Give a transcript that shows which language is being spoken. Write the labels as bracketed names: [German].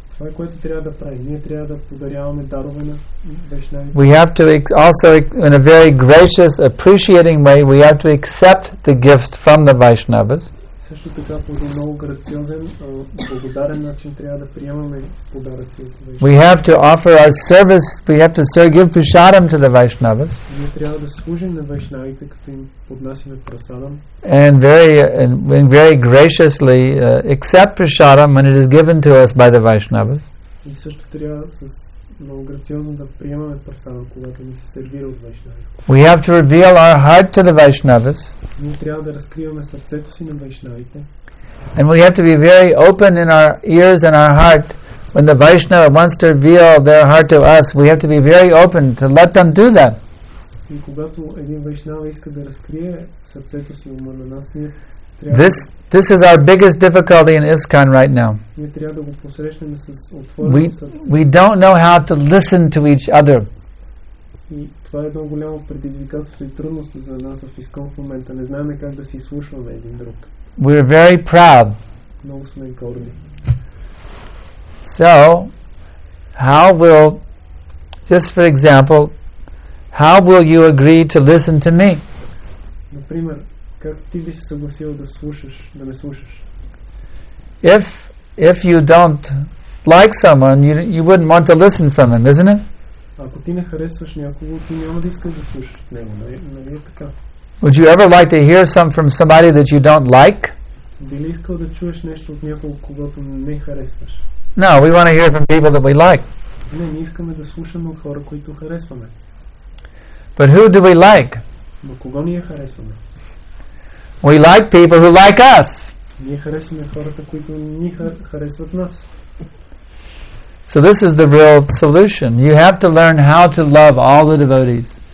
[Bulgarian] Това е което трябва да правим. Ние трябва да подаряваме дарове на Вайшнавите. [English] We have to also, in a very gracious, appreciating way, we have to accept the gifts from the Vaishnavas. [Bulgarian] Също така по един много грациозен, благодарен начин трябва да приемаме подаръци от Вайшнавите. [English] We have to offer our service, we have to give prasadam to the Vaishnavas. [Bulgarian] Ние трябва да служим на Вайшнавите, като им поднасяме прасадам. [English] And very graciously accept prasadam when it is given to us by the Vaishnavas. [Bulgarian] И също трябва с много грациозно да приемаме прасадам, когато ни се сервира от Вайшнавите. [English] We have to reveal our heart to the Vaishnavas. [Bulgarian] Ние трябва да разкриваме сърцето си на Вайшнавите. [English] And we have to be very open in our ears and our heart. When the Vaishnava wants to reveal their heart to us, we have to be very open to let them do that. [Bulgarian] И когато един Вайшнава иска да разкрие сърцето си ума на нас, ние трябва [English] This is our biggest difficulty in ISKCON right now. [Bulgarian] Ние трябва да го посрещнеме с отворено сърце. [English] We don't know how to listen to each other. [Bulgarian] И това е много голямо предизвикателство и трудност за нас в ISKCON в момента. Не знаем как да си слушаме един друг. [English] We are very proud. [Bulgarian] Много сме горди. [English] So, how will, just for example, how will you agree to listen to me? [Bulgarian] Например, как ти би се съгласил да слушаш, да ме слушаш? [English] If you don't like someone, you wouldn't want to listen from him, isn't it? [Bulgarian] Ако ти не харесваш някого, ти няма да искаш да слушаш от него, нали е така? [English] Would you ever like to hear some from somebody that you don't like? [Bulgarian] Би ли искал да чуеш нещо от някого, когато не харесваш? [English] No, we want to hear from people that we like. [Bulgarian] Не, ние искаме да слушаме от хора, които харесваме. [English] But who do we like? [Bulgarian] Но кого ние харесваме? [English] We like people who like us. [Bulgarian] Ние харесваме хората, които ни харесват нас. [English] So this is the real solution. You have to learn how to love all the devotees.